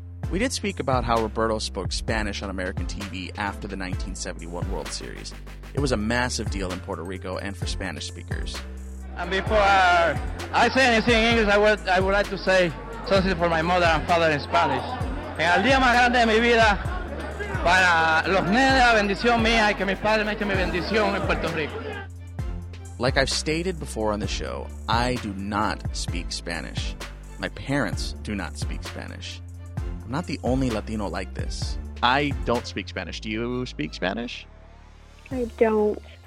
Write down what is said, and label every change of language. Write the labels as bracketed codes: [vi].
[en] We did speak about how Roberto spoke Spanish on American TV after the 1971 World Series. It was a massive deal in Puerto Rico and for Spanish speakers. And before I say anything in English, I would like to say something for my mother and father in Spanish. [es] En el día más grande de mi vida, para los nenes, la bendición mía y que mis padres me echen mi bendición en Puerto Rico. [en] Like I've stated before on the show, I do not speak Spanish. My parents do not speak Spanish. I'm not the only Latino like this. I don't speak Spanish. Do you speak Spanish? I don't.